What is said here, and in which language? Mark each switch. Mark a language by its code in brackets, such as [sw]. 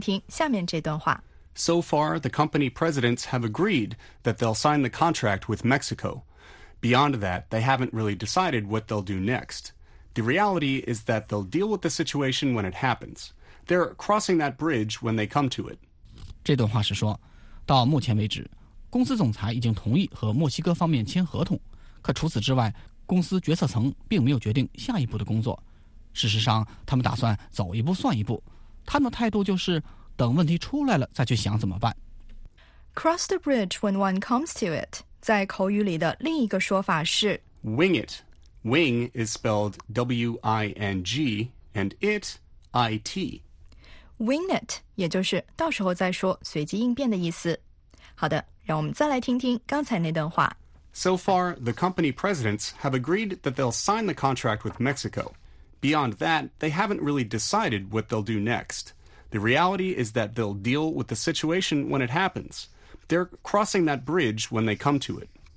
[en] So far, the company presidents have agreed that they'll sign the contract with Mexico. Beyond that, they haven't really decided what they'll do next. The reality is that they'll deal with the situation when it happens. They're crossing that bridge when they come to it. [zh] 这段话是说，到目前为止，公司总裁已经同意和墨西哥方面签合同，可除此之外，公司决策层并没有决定下一步的工作。事实上，他们打算走一步算一步，他们的态度就是等问题出来了再去想怎么办。 [en] Cross the bridge when one comes to it， [zh] 在口语里的另一个说法是 [en] Wing it。 Wing is spelled W-I-N-G and it, I-T. Wing it, [zh] 也就是到时候再说随机应变的意思。好的，让我们再来听听刚才那段话。 [en] So far, the company presidents have agreed that they'll sign the contract with Mexico. Beyond that, they haven't really decided what they'll do next. The reality is that they'll deal with the situation when it happens. They're crossing that bridge when they come to it.